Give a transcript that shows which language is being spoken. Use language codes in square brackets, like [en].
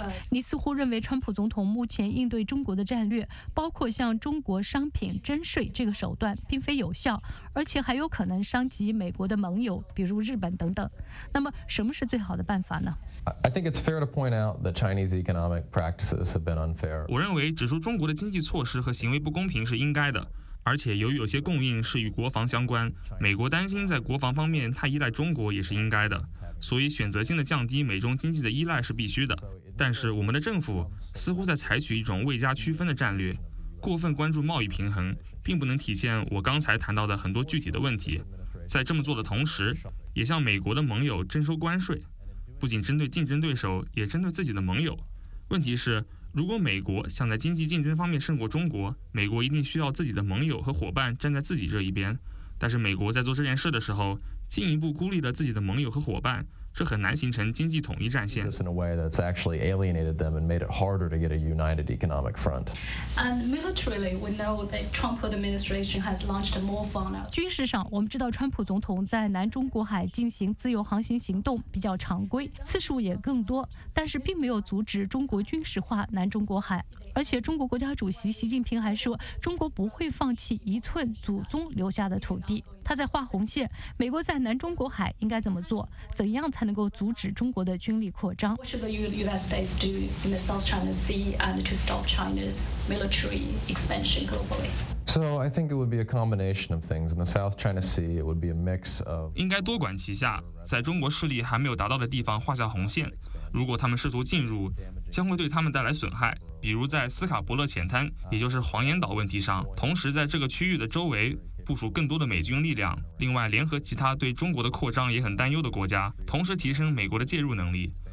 [zh] 你似乎认为川普总统目前应对中国的战略，包括向中国商品征税这个手段，并非有效，而且还有可能伤及美国的盟友，比如日本等等。那么，什么是最好的办法呢？ [en] I think it's fair to point out that Chinese economic practices have been unfair. [zh] 我认为指出中国的经济措施和行为不公平是应该的。而且由于有些供应是与国防相关，美国担心在国防方面太依赖中国也是应该的，所以选择性的降低美中经济的依赖是必须的。但是我们的政府似乎在采取一种未加区分的战略，过分关注贸易平衡，并不能体现我刚才谈到的很多具体的问题。在这么做的同时，也向美国的盟友征收关税，不仅针对竞争对手，也针对自己的盟友。问题是，如果美国想在经济竞争方面胜过中国，美国一定需要自己的盟友和伙伴站在自己这一边。但是美国在做这件事的时候，进一步孤立了自己的盟友和伙伴，这很难形成经济统一战线。 [en] This in a way that's actually alienated them and made it harder to get a united economic front. And militarily, we know that Trump administration has launched more fun. [zh] 军事上，我们知道川普总统在南中国海进行自由航行行动比较常规，次数也更多，但是并没有阻止中国军事化南中国海。而且中国国家主席习近平还说，中国不会放弃一寸祖宗留下的土地。他在画红线，美国在南中国海应该怎么做，怎样才能够阻止中国的军力扩张。 [en] What should the United States do in the South China Sea and to stop China's military expansion globally? So I think it would be a combination of things. In the South China Sea, it would be a mix of. [zh] 应该多管齐下，在中国势力还没有达到的地方画下红线。如果他们试图进入，将会对他们带来损害，比如在斯卡伯勒浅滩，也就是黄岩岛问题上。同时，在这个区域的周围部署更多的美军力量，另外联合其他对中国的扩张也很担忧的国家，同时提升美国的介入能力。